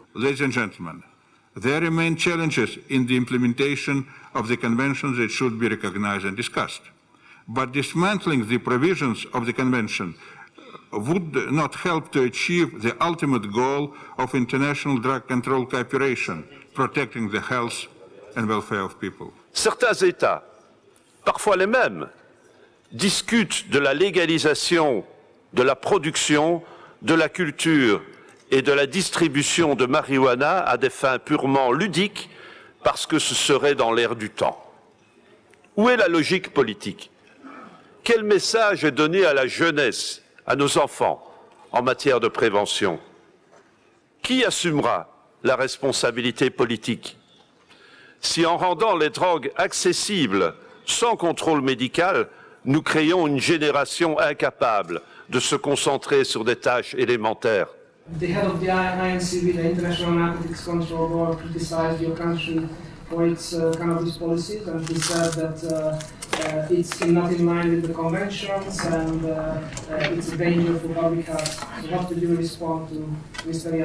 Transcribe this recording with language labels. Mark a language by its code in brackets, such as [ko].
[en] Ladies and gentlemen, there remain challenges in the implementation of the convention that should be recognized and discussed. But dismantling the provisions of the convention would not help to achieve the ultimate goal of international drug control cooperation, protecting the health and welfare of people. [fr] Certains États, parfois les mêmes, discutent de la légalisation de la production, de la culture et de la distribution de marijuana à des fins purement ludiques parce que ce serait dans l'air du temps. Où est la logique politique? Quel message est donné à la jeunesse, à nos enfants en matière de prévention? Qui assumera la responsabilité politique? Si en rendant les drogues accessibles sans contrôle médical, nous créons une génération incapable de se concentrer sur des tâches élémentaires. [en] The head of the INCB, the International Narcotics Control Board, criticized your country for its cannabis policies, and he said that it's not in line with the conventions and it's a danger for public health. So what did you respond to Mr.